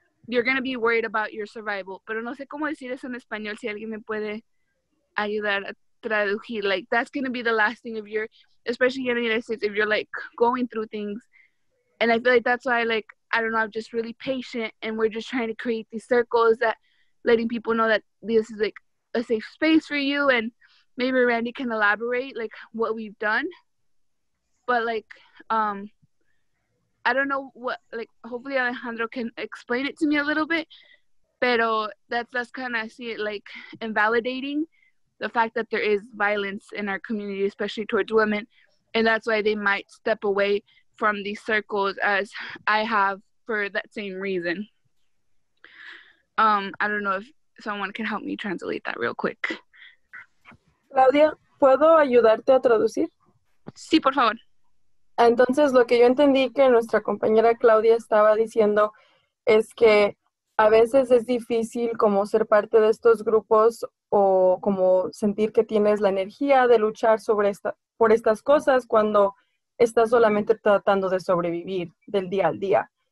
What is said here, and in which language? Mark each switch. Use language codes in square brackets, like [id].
[en] You're going to be worried about your survival. [es] Pero no sé cómo decir eso en español, si alguien me puede ayudar a traducir. [en] Like, that's going to be the last thing, if you're, especially in the United States, if you're like going through things. And I feel like that's why, like, I don't know, I'm just really patient, and we're just trying to create these circles that letting people know that this is like a safe space for you. And maybe Randy can elaborate like what we've done, but like, I don't know what, like, hopefully Alejandro can explain it to me a little bit, [es] pero [en] that's kind of, I see it like invalidating the fact that there is violence in our community, especially towards women. And that's why they might step away from these circles, as I have, for that same reason. I don't know if someone can help me translate that real quick. [es] Claudia, ¿puedo ayudarte a traducir? Sí, por favor. Entonces, lo que yo entendí que nuestra compañera Claudia estaba diciendo es que a veces es difícil como ser parte de estos grupos, o como sentir que tienes la energía de luchar por estas cosas cuando estás solamente tratando de sobrevivir del día al día.